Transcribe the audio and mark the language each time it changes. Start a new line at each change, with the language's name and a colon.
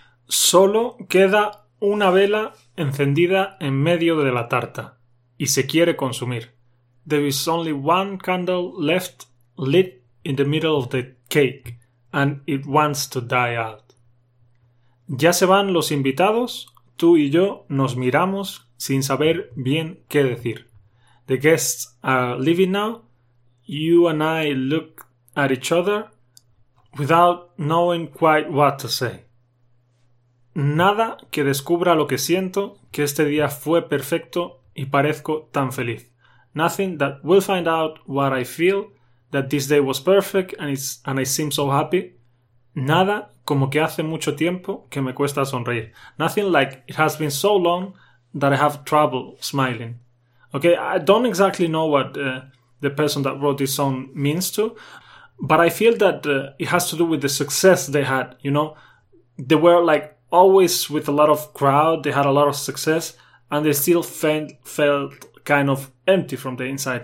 Spanish: Solo queda una vela encendida en medio de la tarta y se quiere consumir.
English: There is only one candle left lit in the middle of the cake and it wants to die out.
Spanish: Ya se van los invitados, tú y yo nos miramos sin saber bien qué decir.
English: The guests are leaving now, you and I look at each other without knowing quite what to say.
Spanish: Nada que descubra lo que siento, que este día fue perfecto y parezco tan feliz.
English: Nothing that will find out what I feel, that this day was perfect and I seem so happy.
Spanish: Nada como que hace mucho tiempo que me cuesta sonreír.
English: Nothing like it has been so long that I have trouble smiling. Okay, I don't exactly know what the person that wrote this song means to, but I feel that it has to do with the success they had, you know? They were like always with a lot of crowd, they had a lot of success, and they still felt kind of empty from the inside.